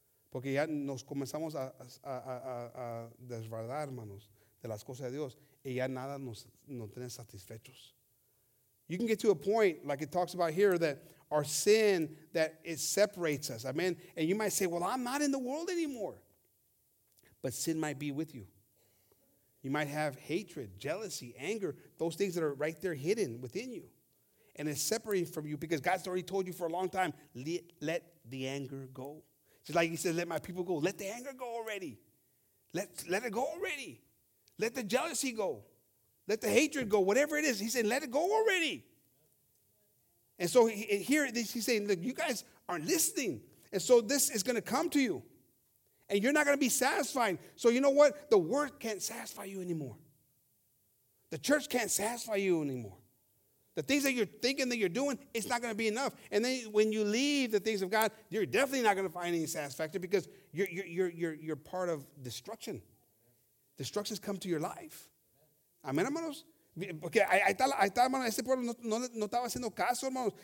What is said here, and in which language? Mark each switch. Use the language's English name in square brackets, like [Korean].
[Spanish] Porque ya nos comenzamos a desbaratar, hermanos, de las cosas de Dios. Y ya nada nos tiene satisfechos. [English] You can get to a point, like it talks about here, that our sin, that it separates us. Amen. And you might say, well, I'm not in the world anymore. But sin might be with you. You might have hatred, jealousy, anger, those things that are right there hidden within you. And it's separating from you because God's already told you for a long time, let the anger go. Just like he said, let my people go. Let the anger go already. Let it go already. Let the jealousy go. Let the hatred go. Whatever it is, he said, let it go already. And so he's saying, look, you guys aren't listening. And so this is going to come to you. And you're not going to be satisfied. So you know what? The word can't satisfy you anymore. The church can't satisfy you anymore. The things that you're thinking that you're doing, it's not going to be enough. And then when you leave the things of God, you're definitely not going to find any satisfaction because you're part of destruction. Destruction's come to your life. Amén, hermanos. [Spanish] Porque ahí está, hermano, ese pueblo no estaba haciendo caso, hermanos.